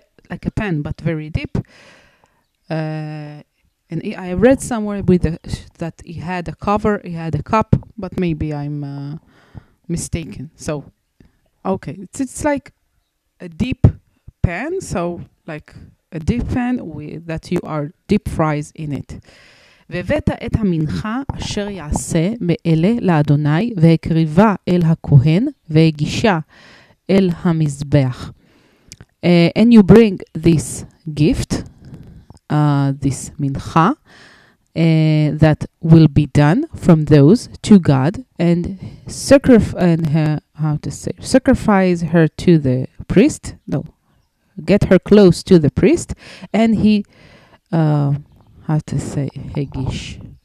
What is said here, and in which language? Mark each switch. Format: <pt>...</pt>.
<en>Like a pan, but very deep. And I read somewhere that he had a cover, he had a cup, but maybe I'm mistaken. So, okay, it's like a deep pan. So, like a deep pan that you are deep fries in it.</en> <he>והבאת את המנחה אשר יעשה מאלה לאדוני והקריבה אל הכהן והגישה אל המזבח.</he> <en>And you bring this gift, this mincha, that will be done from those to God and sacrifice her to the priest. No, get her close to the priest, and he, how to say, hegish.</en>